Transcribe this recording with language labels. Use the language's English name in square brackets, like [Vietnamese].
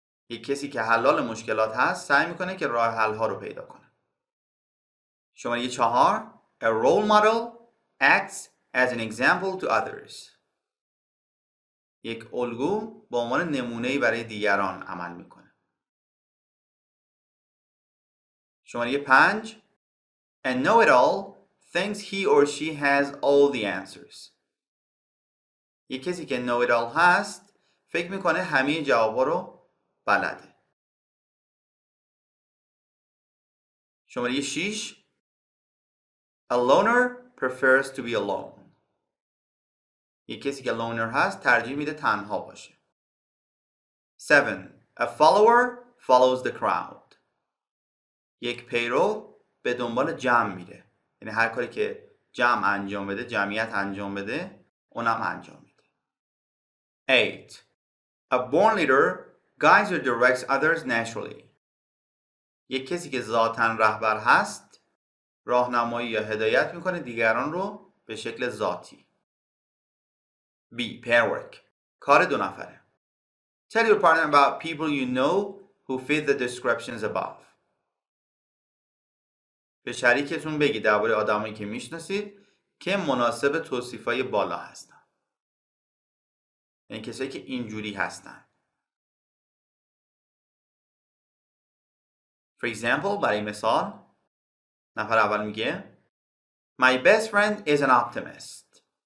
[Persian] یک کسی که حلال مشکلات هست سعی میکنه که راه حل ها رو پیدا کنه. شماره 4، [English] A role model acts as an example to others. [Persian] یک الگو به عنوان نمونه‌ای برای دیگران عمل میکنه. شماره 5، [English] A know-it-all thinks he or she has all the answers. [Persian] یک کسی که know-it-all هست فکر میکنه همه جواب رو بلده. شماره 6، [English] A loner prefers to be alone. [Persian] یک کسی که loner هست ترجیح میده تنها باشه. [English] 7، A follower follows the crowd. [Persian] یک پیرو به دنبال جمع میره. یعنی هر کاری که جمع انجام بده، جمعیت انجام بده، اونم انجام میده. [English] 8، A born leader guides or directs others naturally. [Persian] یک کسی که ذاتاً رهبر هست راهنمایی یا هدایت میکنه دیگران رو به شکل ذاتی. [English] B. Pair work. [Persian] کار دو نفره. [English] Tell your partner about people you know who fit the descriptions above. [Persian] به شریکتون بگید درباره آدمایی که میشناسید که مناسب توصیفای بالا هستن. یعنی کسایی که اینجوری هستن. [English] For example, [Persian] برای مثال، نفر اول میگه [English] My best friend is an optimist.